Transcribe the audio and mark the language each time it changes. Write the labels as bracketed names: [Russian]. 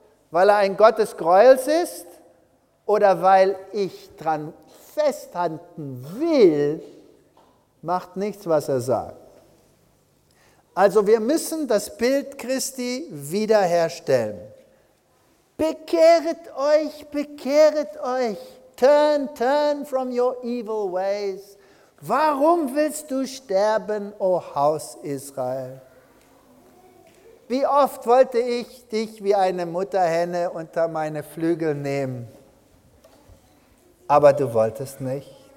[German] Weil er ein Gott des Greuels ist oder weil ich dran festhalten will, macht nichts, was er sagt. Also wir müssen das Bild Christi wiederherstellen. Bekehret euch, [English] turn, turn from your evil ways. [German] Warum willst du sterben, o Haus Israel? Wie oft wollte ich dich wie eine Mutterhenne unter meine Flügel nehmen, aber du wolltest nicht.